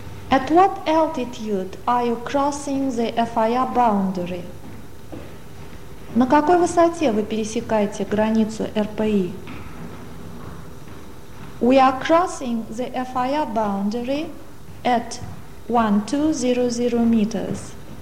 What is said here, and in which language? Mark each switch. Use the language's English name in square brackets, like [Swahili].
[English] At what altitude are you crossing the FIR boundary? [Russian] На какой высоте вы пересекаете границу РПИ? [English] We are crossing the FIR boundary at 1200 meters.